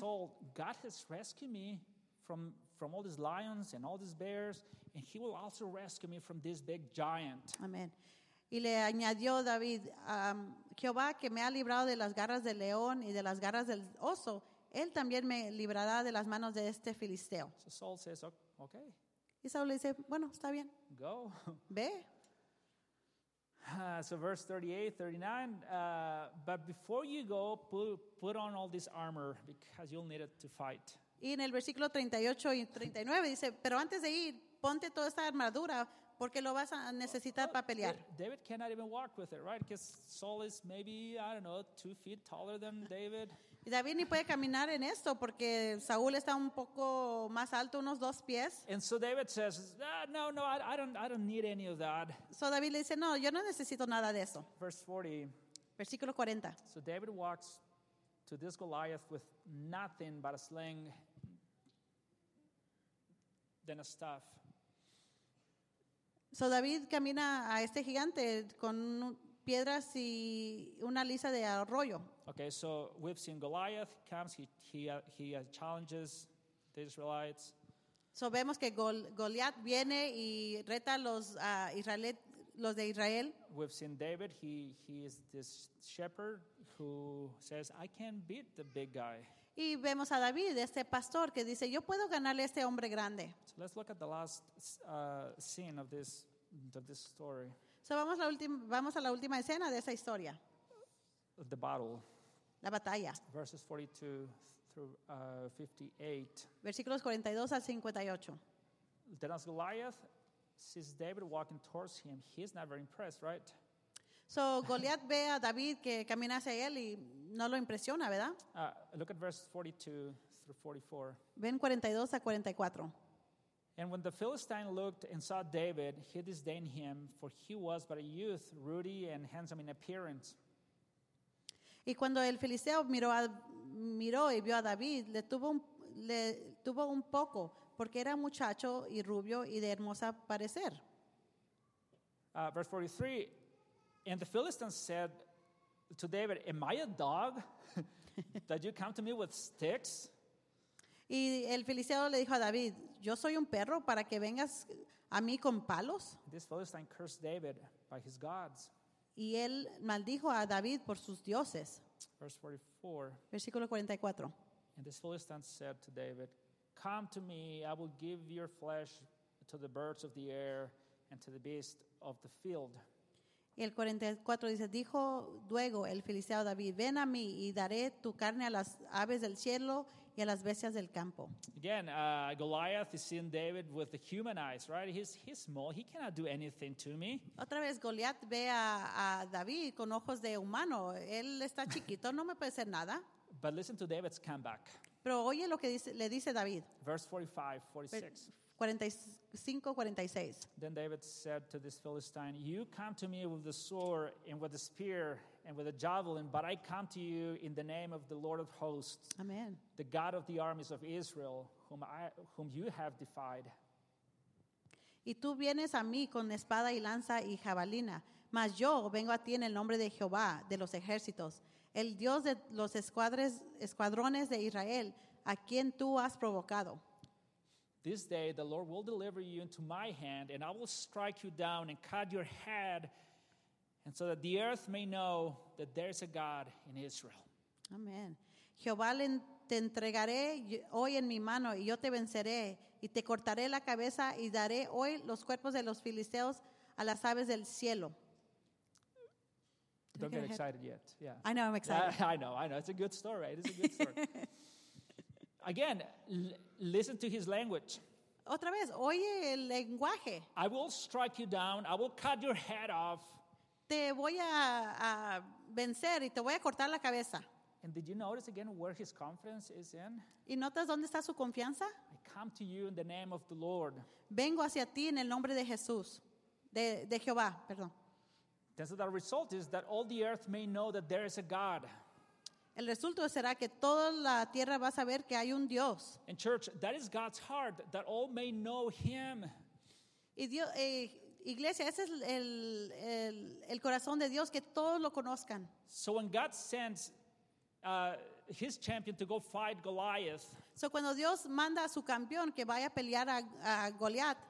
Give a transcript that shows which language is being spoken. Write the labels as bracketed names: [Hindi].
[English] Saul, God has rescued me from all these lions and all these bears, and he will also rescue me from this big giant. [Spanish] Amén. Y le añadió David, Jehová que me ha librado de las garras del león y de las garras del oso, él también me librará de las manos de este filisteo. [English] So Saul says, okay. [Spanish] Y Saul le dice, bueno, está bien. [English] Go. [Spanish] Ve. [English] So verse 38-39, but before you go, put on all this armor because you'll need it to fight. [Spanish] Y en el versículo 38-39 dice, pero antes de ir, ponte toda esta armadura porque lo vas a necesitar para pelear. [English] David cannot even walk with it, right? Because Saul is maybe, I don't know, 2 feet taller than David. [Spanish] Y David ni puede caminar en esto porque Saúl está un poco más alto, unos 2 pies. [English] And so David says, no, I don't need any of that. [Spanish] So David le dice, no, yo no necesito nada de eso. [English] Verse 40. [Spanish] Versículo 40. [English] So David walks to this Goliath with nothing but a sling than a staff. [Spanish] So David camina a este gigante con piedras y una lisa de arroyo. [English] Okay, so we've seen Goliath comes, he challenges the Israelites. [Spanish] So vemos que Goliath viene y reta los los de Israel. [English] We've seen David, he is this shepherd who says, I can beat the big guy. [Spanish] Y vemos a David, este pastor, que dice, yo puedo ganarle a este hombre grande. [English] So let's look at the last scene of this story. [Spanish] So vamos a la última escena de esa historia. [English] The battle. [Spanish] La batalla. [English] Verses 42 through 58. [Spanish] Versículos 42 al 58. [English] Then as Goliath sees David walking towards him, he's not very impressed, right? [Spanish] So Goliath ve a David que camina hacia él y no lo impresiona, ¿verdad? [English] Look at verse 42 through 44. [Spanish] Ven 42 a 44. [English] And when the Philistine looked and saw David, he disdained him, for he was but a youth, ruddy and handsome in appearance. [Spanish] Y cuando el filisteo miró y vio a David, le tuvo un poco, porque era muchacho y rubio y de hermosa parecer. [English] Verse 43, and the Philistine said to David, am I a dog that you come to me with sticks? [Spanish] Y el filisteo le dijo a David, yo soy un perro para que vengas a mí con palos. [English] This Philistine cursed David by his gods. [Spanish] Y él maldijo a David por sus dioses. [English] Verse 44. [Spanish] Versículo 44. [English] And this Philistine said to David, come to me, I will give your flesh to the birds of the air and to the beast of the field. [Spanish] Y el 44 dice, dijo luego el filisteo David, ven a mí y daré tu carne a las aves del cielo y a las bestias del campo. [English] Again, Goliath is seeing David with the human eyes, right? He's small. He cannot do anything to me. [Spanish] Otra vez Goliath ve a David con ojos de humano. Él está chiquito, no me puede hacer nada. [English] But listen to David's comeback. [Spanish] Pero oye lo que le dice David. [English] Verse 45, 46. [Spanish] 45, 46. [English] Then David said to this Philistine, you come to me with the sword and with the spear and with a javelin, but I come to you in the name of the Lord of hosts. Amen. The God of the armies of Israel, whom you have defied. [Spanish] Y tú vienes a mí con espada y lanza y jabalina, mas yo vengo a ti en el nombre de Jehová de los ejércitos, el Dios de los escuadrones de Israel, a quien tú has provocado. [English] This day the Lord will deliver you into my hand, and I will strike you down and cut your head, and so that the earth may know that there is a God in Israel. Amen. [Spanish] Jehová, te entregaré hoy en mi mano, y yo te venceré, y te cortaré la cabeza, y daré hoy los cuerpos de los filisteos a las aves del cielo. [English] Don't get excited yet. Yeah. I know, I'm excited. I know. It's a good story. Right? It's a good story. Again, listen to his language. [Spanish] Otra vez, oye el lenguaje. [English] I will strike you down. I will cut your head off. [Spanish] Te voy a vencer y te voy a cortar la cabeza. [English] And did you notice again where his confidence is in? [Spanish] ¿Y notas dónde está su confianza? [English] I come to you in the name of the Lord. [Spanish] Vengo hacia ti en el nombre de Jesús, de Jehová, perdón. [English] Then so the result is that all the earth may know that there is a God. [Spanish] El resultado será que toda la tierra va a saber que hay un Dios. [English] And church, that is God's heart, that all may know him. [Spanish] Y Dios, iglesia, ese es el corazón de Dios, que todos lo conozcan. [English] So when God sends his champion to go fight Goliath. [Spanish] So cuando Dios manda a su campeón que vaya a pelear a Goliath.